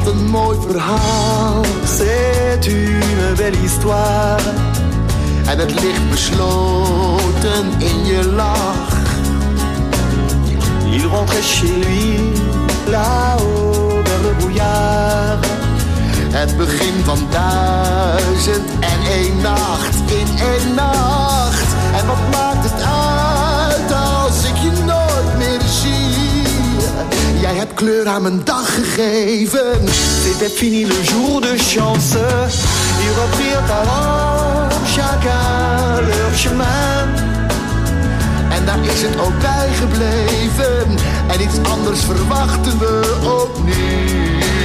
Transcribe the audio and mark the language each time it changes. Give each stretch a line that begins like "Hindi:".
Dutch: Mooi verhaal,
French: c'est une belle histoire.
Dutch: En het ligt besloten in je lach.
French: Il rentrait chez lui, là-haut, dans le brouillard.
Dutch: Het begin van duizend en één nacht, in één nacht. En wat maakt het uit als ik je nooit meer zie? Jij hebt kleur aan mijn dag gegeven.
French: C'était fini le jour de chance. Ils reprirent alors chacun leur chemin.
Dutch: En daar is het ook bij gebleven. En iets anders verwachten we opnieuw.